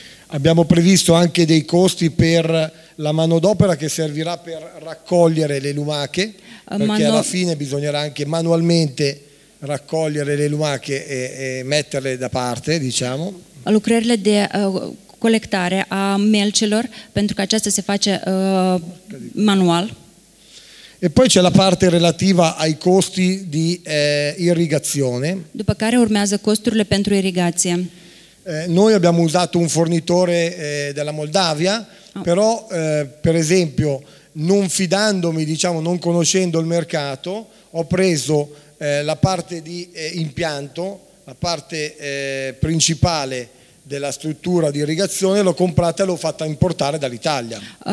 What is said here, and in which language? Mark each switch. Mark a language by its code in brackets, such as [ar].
[it] Abbiamo previsto anche dei costi per la manodopera che servirà per raccogliere le lumache, perché alla fine bisognerà anche manualmente raccogliere le lumache e metterle da parte, diciamo. [ro] Lucrările de colectare a melcelor, pentru că aceasta se face manual. [it] E poi c'è la parte relativa ai costi di irrigazione. [ro] După care urmează costurile pentru irigație. [it] Noi abbiamo usato un fornitore della Moldavia, però per esempio non fidandomi, diciamo non conoscendo il mercato, ho preso la parte di impianto, la parte principale della struttura di irrigazione, l'ho comprata e l'ho fatta importare dall'Italia.